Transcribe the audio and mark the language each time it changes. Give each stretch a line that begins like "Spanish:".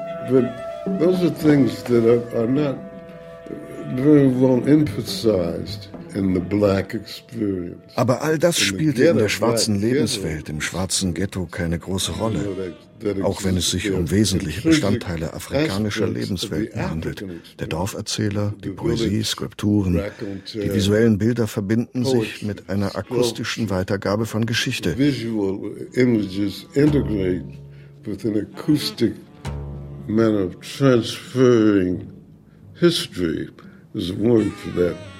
English: But those are things that are not very well emphasized in the black experience.
German: Aber all das spielte in der schwarzen Lebenswelt, im schwarzen Ghetto, keine große Rolle, auch wenn es sich um wesentliche Bestandteile afrikanischer Lebenswelten handelt. Der Dorferzähler, die Poesie, Skulpturen, die visuellen Bilder verbinden sich mit einer akustischen Weitergabe von Geschichte.
English: Visual images integrate with an acoustic manner of transferring history is a word for that.